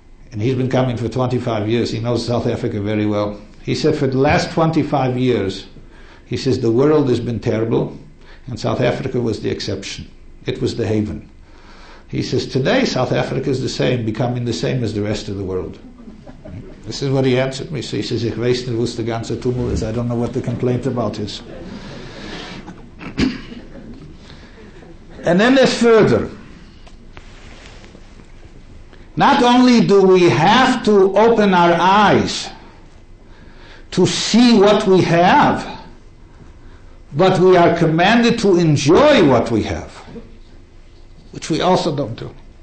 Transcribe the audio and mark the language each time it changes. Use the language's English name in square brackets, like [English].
[English] And he's been coming for 25 years. He knows South Africa very well. He said, for the last 25 years, he says, the world has been terrible, and South Africa was the exception. It was the haven. He says, today South Africa is the same, becoming the same as the rest of the world. This is what he answered me. So he says, [German] Ich weiß nicht, was der ganze Tumult ist. [English] I don't know what the complaint about is. And then there's further. Not only do we have to open our eyes to see what we have, but we are commanded to enjoy what we have, which we also don't do.